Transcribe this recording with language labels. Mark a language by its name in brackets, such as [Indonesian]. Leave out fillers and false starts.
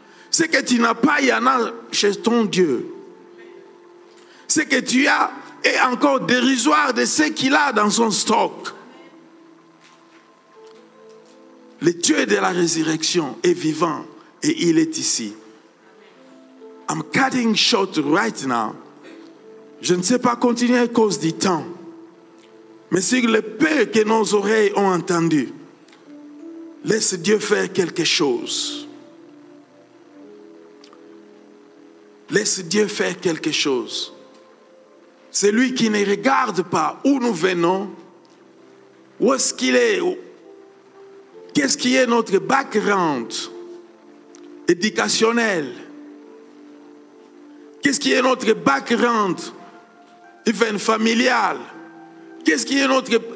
[French] Ce que tu n'as pas, il y en a chez ton Dieu. Ce que tu as est encore dérisoire de ce qu'il a dans son stock. Le Dieu de la résurrection est vivant et il est ici. [English] I'm cutting short right now. [French] Je ne sais pas continuer à cause du temps. Mais sur le peu que nos oreilles ont entendu, laisse Dieu faire quelque chose. Laisse Dieu faire quelque chose. C'est lui qui ne regarde pas où nous venons, où est-ce qu'il est, qu'est-ce qui est notre background éducationnel, qu'est-ce qui est notre background even familial, qu'est-ce qui est notre...